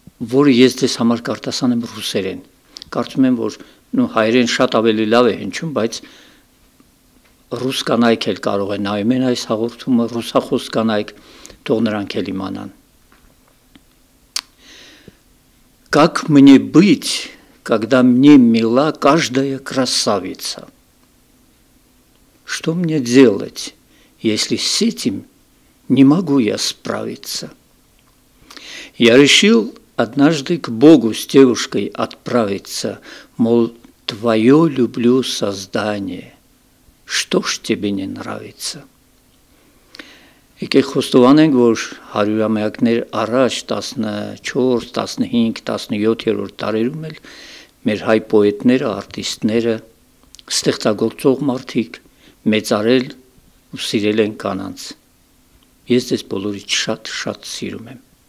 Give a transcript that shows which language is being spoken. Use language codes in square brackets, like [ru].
[hy] որը ես ձեզ համար կարտասանեմ ռուսերեն, կարծում եմ, որ հայրեն շատ ավելի լավ է հնչում, բայց ռուս կանայք էլ կարող է նայում են այս հաղորդումը, ռուսախոս կանայք, թող նրանք էլ իմանան։ [ru] Как мне быть, когда мне мила каждая красавица? Что мне делать, если с этим не могу я справиться? Я решил однажды к Богу с девушкой отправиться, мол, твое люблю создание, что ж тебе не нравится? [hy] Եկեք խոստովանենք, որ հարյուրամյակներ առաջ 14, 15, 17-րդ տարերում էլ մեր հայ պոետները, արտիստները, ստեղծագործող մարդիկ մեծարել ու սիրել են կանանց։ Ես ձեզ բոլորից շատ-շատ սիրում եմ։